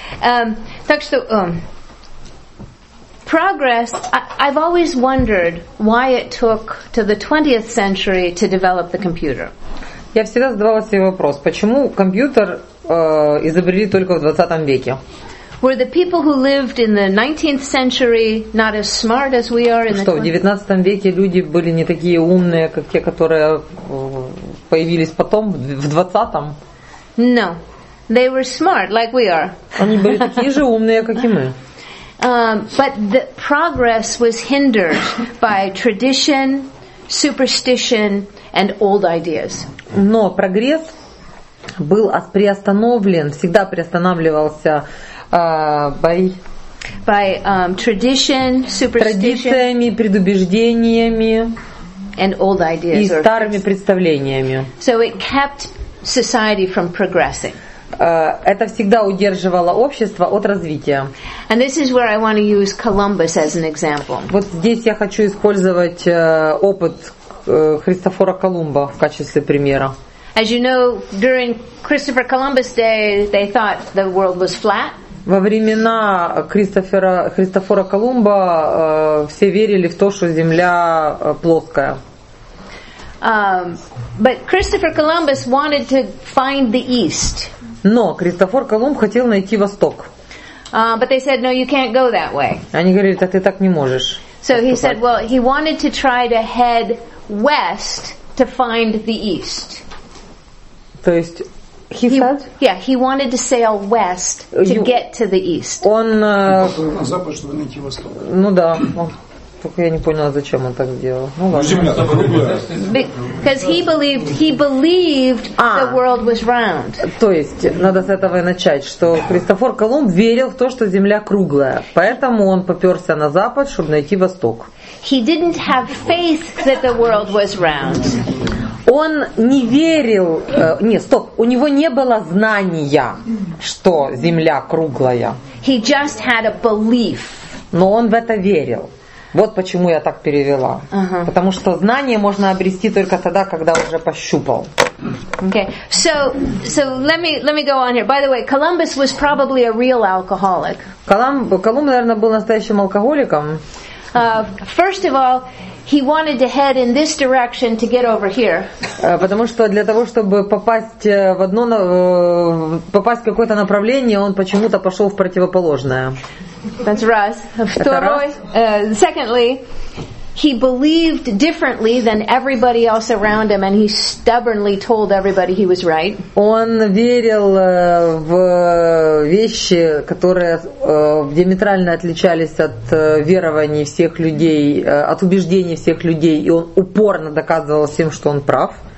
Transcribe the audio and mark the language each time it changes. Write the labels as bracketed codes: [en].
[ru] Так что, [en] progress, I've always wondered why it took to the 20th century to develop the computer. [ru] Я всегда задавала себе вопрос, почему компьютер изобрели только в 20 веке? [en] Were the people who lived in the 19th century not as smart as we are in the [ru] 20th? Что, в 19 веке люди были не такие умные, как те, которые появились потом, в 20-м? [en] No. They were smart, like we are. [ru] Они были такие же умные, как и мы. [en] But the progress was hindered by tradition, superstition, and old ideas. [ru] Но прогресс был приостановлен, всегда приостанавливался by [en] tradition, superstition, [ru] традициями, предубеждениями [en] and old ideas, [ru] и старыми представлениями. [en] So it kept society from progressing. [ru] Это всегда удерживало общество от развития. [en] And this is where I want to use Columbus as an example. [ru] Вот здесь я хочу использовать опыт Христофора Колумба в качестве примера. [en] As you know, during Christopher Columbus' day, they thought the world was flat. [ru] Во времена Христофора Колумба все верили в то, что Земля плоская. [en] But Christopher Columbus wanted to find the East. [ru] Но Христофор Колумб хотел найти Восток. [en] But they said, no, you can't go that way. [ru] Они говорили, так ты так не можешь. [en] So he said, well, he wanted to try to head west to find the East. [ru] То есть, [en] he said? Yeah, he wanted to sail west to get to the East. [ru] Он на запад, чтобы найти Восток. Ну да. Только я не поняла, зачем он так сделал. Ну ладно. Земля-то круглая. [en] Because he believed the world was round. [ru] То есть, надо с этого и начать, что Христофор Колумб верил в то, что Земля круглая. Поэтому он поперся на запад, чтобы найти Восток. [en] He didn't have faith that the world was round. [ru] Он не верил... у него не было знания, что Земля круглая. [en] He just had a belief. [ru] Но он в это верил. Вот почему я так перевела. Uh-huh. Потому что знание можно обрести только тогда, когда уже пощупал. [en] Okay. So let me go on here. By the way, Columbus was probably a real alcoholic. [ru] Колумб, наверное, был настоящим алкоголиком. [en] First of all, he wanted to head in this direction to get over here. [ru] Потому что для того, чтобы попасть в какое-то направление, он почему-то пошел в противоположное. [en] That's Russ. [ru] Второй. [en] Secondly, he believed differently than everybody else around him, and he stubbornly told everybody he was right. [ru] Он верил в вещи, которые диаметрально отличались от верований всех людей, от убеждений всех людей, и он упорно доказывал всем, что он прав.